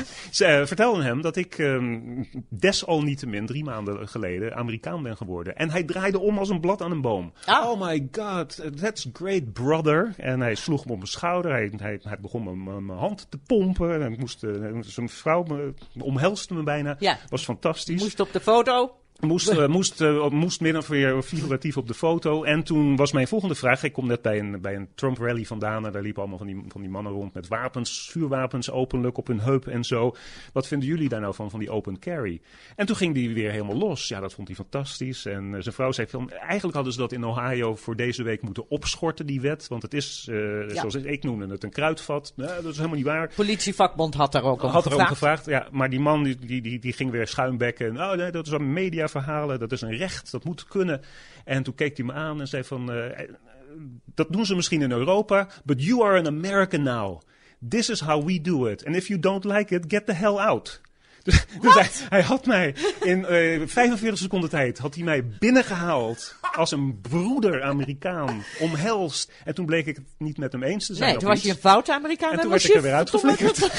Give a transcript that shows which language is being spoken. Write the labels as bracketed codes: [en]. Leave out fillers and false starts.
[nl] Ze vertelden hem dat ik desalniettemin 3 maanden geleden Amerikaan ben geworden. En hij draaide om als een blad aan een boom. Ah. [en] Oh my god, that's great brother. [nl] En hij sloeg me op mijn schouder. Hij begon mijn hand te pompen. En zijn vrouw omhelste me bijna. Ja. Was fantastisch. Moest op de foto. Moest min of meer figuratief op de foto. En toen was mijn volgende vraag. Ik kom net bij een Trump rally vandaan. En daar liepen allemaal van die mannen rond met wapens, vuurwapens openlijk op hun heup en zo. Wat vinden jullie daar nou van die open carry? En toen ging die weer helemaal los. Ja, dat vond hij fantastisch. En zijn vrouw zei, eigenlijk hadden ze dat in Ohio voor deze week moeten opschorten, die wet. Want het is, zoals ik noemde het, een kruidvat. Nou, dat is helemaal niet waar. Politievakbond had daar ook om gevraagd. Ja, maar die man die ging weer schuimbekken. Oh nee, dat is een media. Verhalen, dat is een recht, dat moet kunnen. En toen keek hij me aan en zei van, dat doen ze misschien in Europa, [en] but you are an American now. This is how we do it. And if you don't like it, get the hell out. [nl] Dus hij had mij in 45 seconden tijd had hij mij binnengehaald als een broeder Amerikaan, omhelst. En toen bleek ik het niet met hem eens te zijn. Nee, toen was je een fout Amerikaan. En toen was ik er weer uitgeflikkerd.